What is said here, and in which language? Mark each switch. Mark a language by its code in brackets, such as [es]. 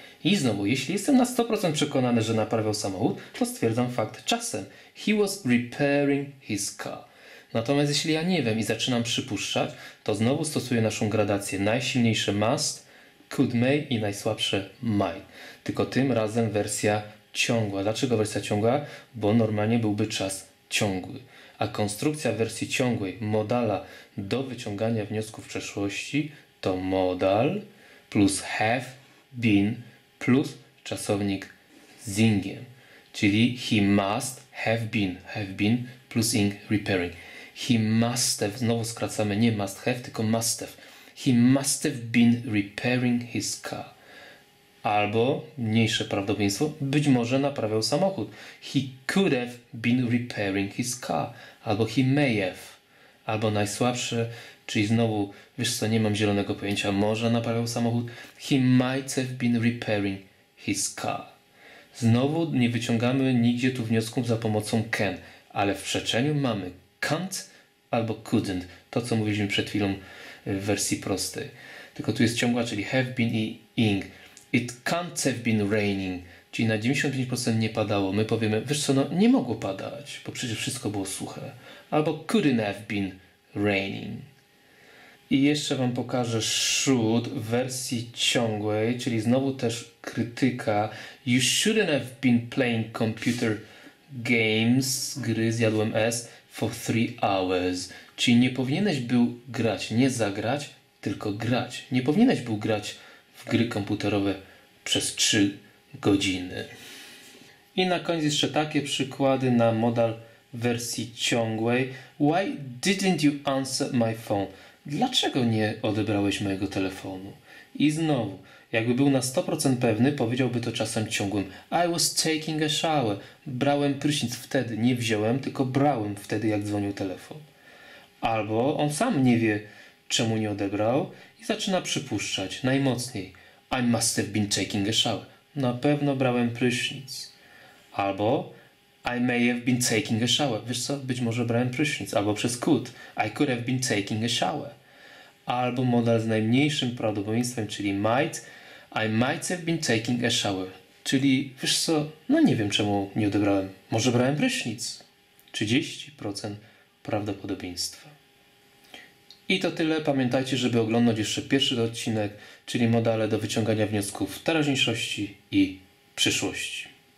[pl] I znowu, jeśli jestem na 100% przekonany, że naprawiał samochód, to stwierdzam fakt czasem. [en] He was repairing his car. [pl] Natomiast jeśli ja nie wiem i zaczynam przypuszczać, to znowu stosuję naszą gradację. Najsilniejsze must, could, may i najsłabsze might. Tylko tym razem wersja ciągła. Dlaczego wersja ciągła? Bo normalnie byłby czas ciągły. A konstrukcja wersji ciągłej, modala do wyciągania wniosków w przeszłości, to modal plus have been plus czasownik z ingiem. [en] Czyli he must have been plus ing repairing. He must have, [pl] znowu skracamy, nie [en] must have, tylko must have. He must have been repairing his car. [pl] Albo mniejsze prawdopodobieństwo, być może naprawiał samochód. [en] He could have been repairing his car. Albo he may have. [pl] Albo najsłabsze, czyli znowu, wiesz co, nie mam zielonego pojęcia, może naprawiał samochód. [en] He might have been repairing his car. [pl] Znowu nie wyciągamy nigdzie tu wniosków za pomocą can, ale w przeczeniu mamy can't albo couldn't. To, co mówiliśmy przed chwilą w wersji prostej. Tylko tu jest ciągła, czyli have been i ing. [en] It can't have been raining. [pl] Czyli na 95% nie padało. My powiemy, wiesz co, no nie mogło padać, bo przecież wszystko było suche. [en] Albo couldn't have been raining. [pl] I jeszcze wam pokażę should w wersji ciągłej, czyli znowu też krytyka. [en] You shouldn't have been playing computer games, [pl] gry z jadłem S, [en] for 3 hours. [pl] Czyli nie powinieneś był grać, nie zagrać, tylko grać. Nie powinieneś był grać w gry komputerowe przez 3 godziny. I na koniec jeszcze takie przykłady na modal wersji ciągłej. [en] Why didn't you answer my phone? [pl] Dlaczego nie odebrałeś mojego telefonu? I znowu, jakby był na 100% pewny, powiedziałby to czasem ciągłym. [en] I was taking a shower. [pl] Brałem prysznic wtedy. Nie wziąłem, tylko brałem wtedy, jak dzwonił telefon. Albo on sam nie wie, czemu nie odebrał i zaczyna przypuszczać najmocniej. [en] I must have been taking a shower. [pl] Na pewno brałem prysznic. [en] Albo I may have been taking a shower. [pl] Wiesz co? Być może brałem prysznic. Albo przez could. [en] I could have been taking a shower. [pl] Albo modal z najmniejszym prawdopodobieństwem, czyli might. [en] I might have been taking a shower. [pl] Czyli, wiesz co? No nie wiem, czemu nie odebrałem. Może brałem prysznic. 30% prawdopodobieństwa. I to tyle. Pamiętajcie, żeby oglądać jeszcze pierwszy odcinek, czyli modale do wyciągania wniosków w teraźniejszości i przyszłości.